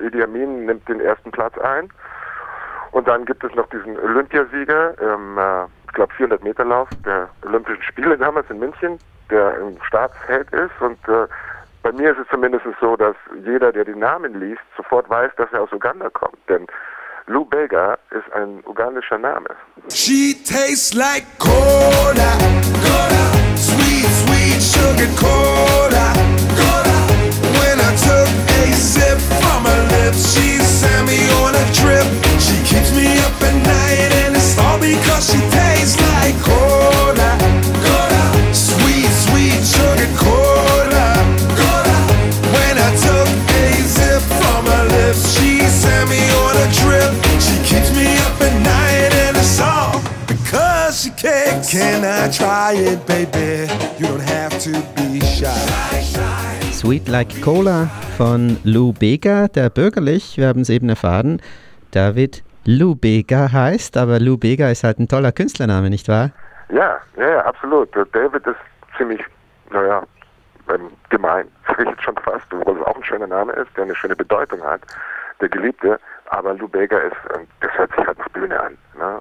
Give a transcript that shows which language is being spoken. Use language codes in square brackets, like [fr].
[de] Idi Amin nimmt den ersten Platz ein. Und dann gibt es noch diesen Olympiasieger im, ich glaube, 400-Meter-Lauf der Olympischen Spiele damals in München, der im Staatsheld ist. Und bei mir ist es zumindest so, dass jeder, der den Namen liest, sofort weiß, dass er aus Uganda kommt. Denn Lou Bega ist ein ugandischer Name. [en] She tastes like cola, cola, sweet, sweet sugar cola, cola. When I took a sip from her lips, she sent me on a trip. She keeps me up at night and it's all because she tastes like cola, cola, sweet, sweet sugar cola, cola. When I took a sip from her lips, she sent me on a trip. She keeps me up at night and it's all because she kicks. Can I try it, baby? You don't have to be shy. [de] Sweet Like Cola von Lou Bega, der bürgerlich, wir haben es eben erfahren, David Lou Bega heißt, aber Lou Bega ist halt ein toller Künstlername, nicht wahr? Ja, ja, ja, absolut. David ist ziemlich, naja, gemein, sage ich jetzt schon fast, obwohl es auch ein schöner Name ist, der eine schöne Bedeutung hat, der Geliebte, aber Lou Bega ist, das hört sich halt nach Bühne an, ne?